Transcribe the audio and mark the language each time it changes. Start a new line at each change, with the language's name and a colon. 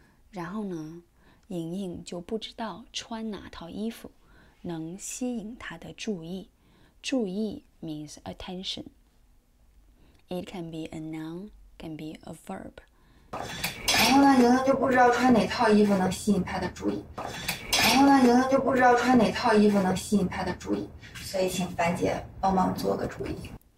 Chinese: 然后呢，莹莹就不知道穿哪套。衣服能吸引他的注意，然后呢，莹莹就不知道穿哪套衣服能吸引他的注意。
English: 注意 means attention. It can be a noun, can be a verb.
Chinese: 然后呢，莹莹就不知道穿哪套衣服能吸引他的注意。然后呢，莹莹就不知道穿哪套衣服能吸引他的注意，所以请樊姐帮忙做个注意。